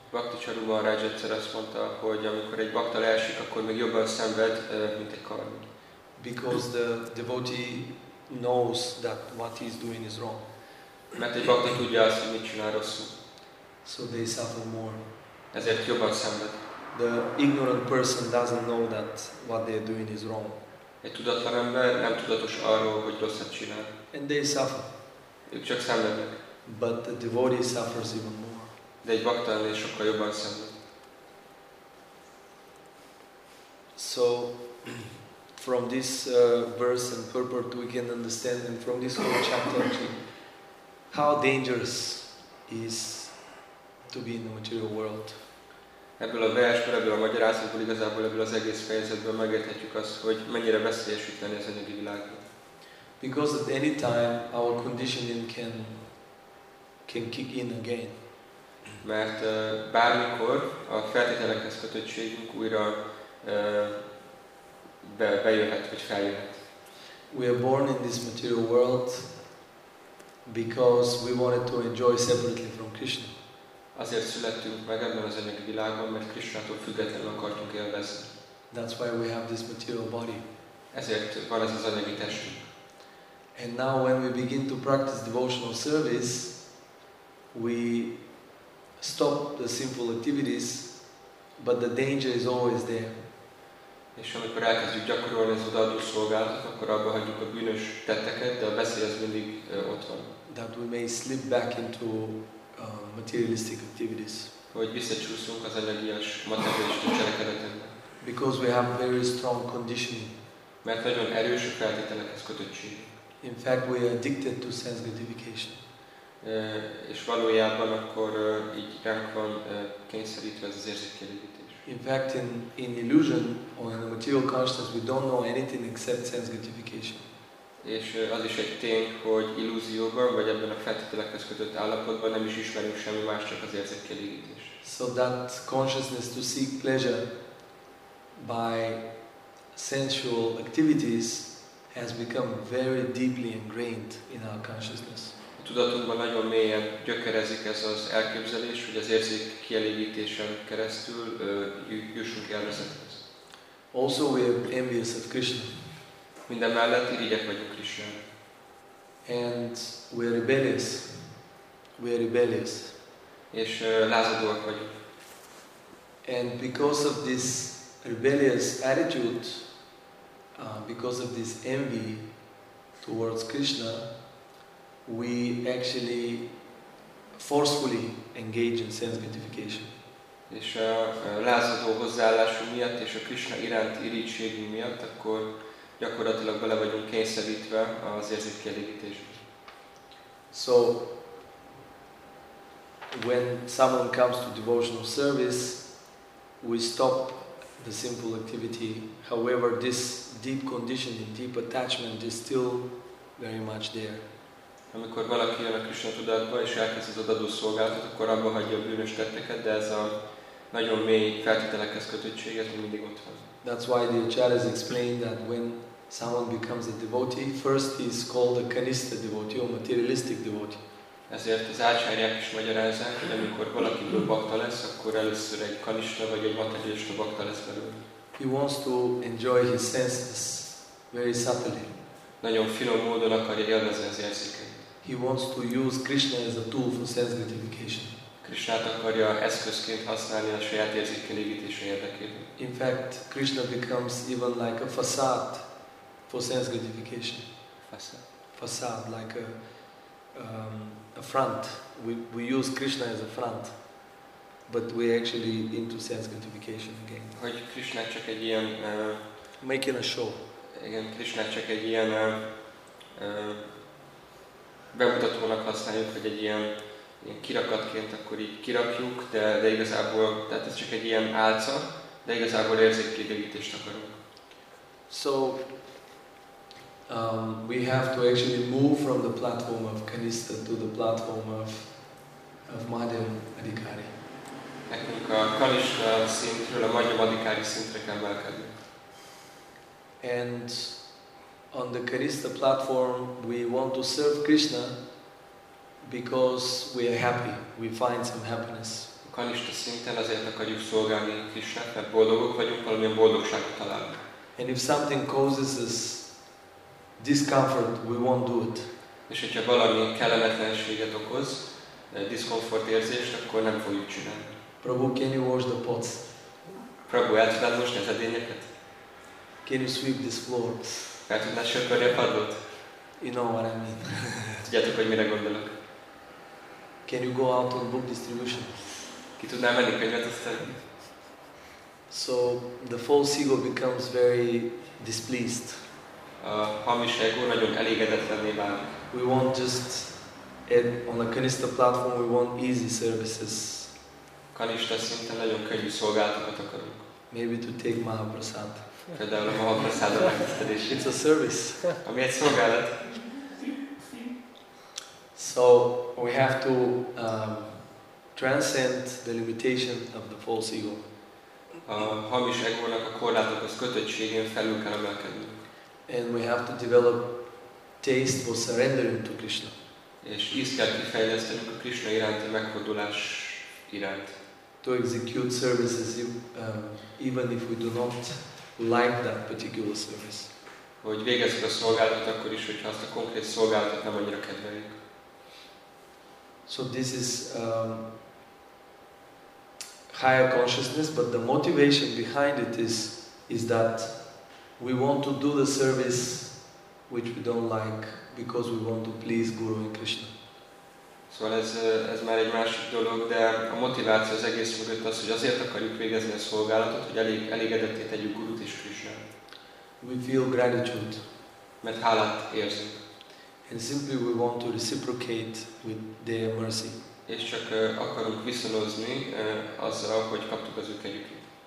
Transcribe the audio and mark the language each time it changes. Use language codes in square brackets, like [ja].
[hu] Bhakti Charumaraj egyszer azt mondta, hogy amikor egy bhakta leesik, akkor még jobban szenved, mint egy karmi. [en] Because the devotee knows that what he is doing is wrong. [hu] Mert egy bhakta tudja azt, hogy mit csinál rosszul. [en] So they suffer more. [hu] Ezért jobban szenved. [en] The ignorant person doesn't know that what they are doing is wrong. [hu] Egy tudatlan ember nem tudatos arról, hogy rosszat csinál. [en] And they suffer. [hu] Ők csak szenvednek. [en] But the devotee suffers even more. [hu] De egy bhakta ennél sokkal jobban szenved. [en] So, from this verse and purport we can understand, and from this whole chapter actually, how dangerous is to be in the material world. [hu] Ebből a versből, ebből a magyarázatból, igazából ebből az egész fejezetből megérthetjük azt, hogy mennyire veszélyes itt lenni az anyagi világban. [en] Because at any time our conditioning can kick in again. [hu] Mert bármikor a feltételekhez kötöttségünk újra bejöhet, vagy feljöhet. [en] We are born in this material world because we wanted to enjoy separately from Krishna. [hu] Azért születtünk meg ebben az anyagi világban, mert Krishnától függetlenül akartunk élvezni. [en] That's why we have this material body. [hu] Ezért van ez az anyagi testünk. [en] And now when we begin to practice devotional service, we stop the simple activities, but the danger is always there. [hu] És amikor elkezdjük gyakorolni az odaadó szolgálatot, akkor abba hagyjuk a bűnös tetteket, de a veszély az mindig ott van. [en] That we may slip back into materialistic activities. [hu] Hogy visszacsúszunk az energiás materialista cselekedetekbe. [en] Because we have very strong conditioning. [hu] Mert nagyon erős a feltételekhez kötöttség. [en] In fact, we are addicted to sense gratification. [hu] És valójában akkor így ránk van kényszerítve ez az érzékkielégítés. [en] In fact, in illusion or in the material consciousness, we don't know anything except sense gratification. [hu] És az is egy tény, hogy illúzióban vagy ebben a feltételekhez kötött állapotban nem is ismerünk semmi más, csak az érzékkielégítés. [en] So that consciousness to seek pleasure by sensual activities has become very deeply ingrained in our consciousness. [hu] Tudatunkban nagyon mélyen gyökerezik ez az elképzelés, hogy az érzék kielégítésen keresztül jussunk élvezethez. [en] Also we are envious of Krishna. [hu] Minden mellett irigyek vagyunk Krishnára. [en] And we are rebellious. We are rebellious. [hu] És lázadóak vagyunk. [en] And because of this rebellious attitude, because of this envy towards Krishna, we actually forcefully engage in sense gratification. [hu] És a lázadó hozzáállásunk miatt és a Krishna iránt irigységünk miatt, akkor gyakorlatilag bele vagyunk kényszerítve az érzékkielégítésbe. [en] So when someone comes to devotional service, we stop the simple activity. However, this deep conditioning, deep attachment is still very much there. [hu] Amikor valaki jön a Krishna tudatba és elkezd az adadó szolgálatot, akkor abba hagyja a bűnös tetteket, de ez a nagyon mély feltételekhez kötöttséget mindig ott van. [en] That's why the acharyas explain that when someone becomes a devotee, first he is called a kanista devotee, or materialistic devotee. [hu] Ezért az ácsárják is magyarázzák, hogy amikor valaki bakta lesz, akkor először egy kanista vagy egy materialista bakta lesz belőle. [en] He wants to enjoy his senses very subtly. [hu] Nagyon finom módon akarja élvezni az érzéket. [en] He wants to use Krishna as a tool for sense gratification. [hu] Krishnát akarja eszközként használni a saját érzékelégítése érdekében. [en] In fact, Krishna becomes even like a facade for sense gratification. Facade. Facade, like a front. We use Krishna as a front, but we actually into sense gratification again. [hu] Hogy Krishna csak egy ilyen... [en] Making a show. [hu] Igen, Krishna csak egy ilyen bemutatónak használjuk, hogy egy ilyen kirakatként akkor így kirakjuk, de igazából, tehát ez csak egy ilyen álca, de igazából érzékkielégítést akarunk. [en] So, we have to actually move from the platform of Kanista to the platform of Madhyam Adhikari. [hu] Nekünk a Kanista szintről a Madhyam Adhikari szintre kell emelkedni. [en] And on the Kanista platform, we want to serve Krishna, because we are happy, we find some happiness. [hu] A kanista szinten azért akarjuk szolgálni Krishnát, mert boldogok vagyunk, valamilyen boldogságot találunk. [en] And if something causes us discomfort, we won't do it. [hu] És hogyha valami kellemetlenséget okoz, diszkomfort érzést, akkor nem fogjuk csinálni. [en] Prabhu, can you wash the pots? [hu] Prabhu, el tudnád mosni az edényeket? [en] Can you sweep this floor? [hu] El tudnád söpörni a padlót? [en] You know what I mean. [hu] Tudjátok, hogy mire gondolok? [en] Can you go out on book distribution? [hu] Ki tudná menni könyvet osztani? [en] So the false ego becomes very displeased. [hu] A hamis ego nagyon elégedetlenné válik. [en] We want just on a Kanista platform, we want easy services. [hu] Kanista szinten nagyon könnyű szolgálatokat akarunk. [en] Maybe to take Mahaprasad. [hu] Például a Mahaprasad megtisztelés. [en] It's a service. [hu] Ami egy szolgálat. [en] So we have to transcend the limitation of the false ego. [hu] A hamis egónak a korlátokhoz kötöttségén felül kell emelkedni. [en] And we have to develop taste for surrendering to Krishna. [hu] És ízt kell kifejlesztenünk a Krishna iránti meghódolás iránt. [en] To execute services even if we do not like that particular service. [hu] Hogy végezzük a szolgálatot akkor is, hogyha azt a konkrét szolgálatot nem annyira kedveljük. [en] So this is higher consciousness, but the motivation behind it is that we want to do the service which we don't like because we want to please Guru and Krishna. [hu] So ez már egy másik dolog, de a motiváció az egész mögött az, hogy azért akarjuk végezni a szolgálatot, hogy elégedetté tegyük Gurut és Krishna. [en] We feel gratitude. [hu] Mert hálát érzünk. [en] And simply we want to reciprocate with their mercy. [hu] És csak akarunk viszonozni azzal, hogy kaptuk az ő kegyüket.